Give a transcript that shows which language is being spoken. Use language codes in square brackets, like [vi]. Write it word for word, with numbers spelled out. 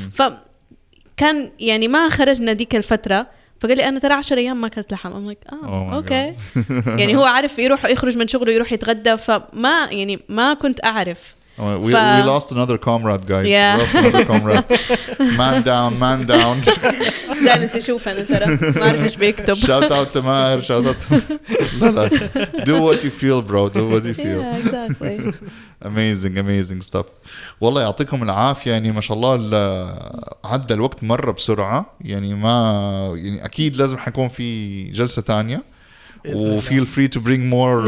[ar] فكان يعني ما خرجنا ديك الفترة فقال لي أنا ترى عشر أيام ما أكلت لحم أم like آه أوكي يعني هو عارف يروح يخرج من شغله يروح يتغدى فما يعني ما كنت أعرف [en] We, ف... we lost another comrade guys yeah. we lost another comrade man down man down [ar] جالس يشوف أنا ترى ما أعرف إيش بيكتب [en] shout out تمار shout out [ar] لا لا [en] do what you feel bro do what you feel yeah exactly amazing amazing stuff [ar] والله يعطيكم العافية يعني ما شاء الله عدى الوقت مرة بسرعة يعني ما يعني أكيد لازم حيكون في جلسة تانية و [en] feel free to bring more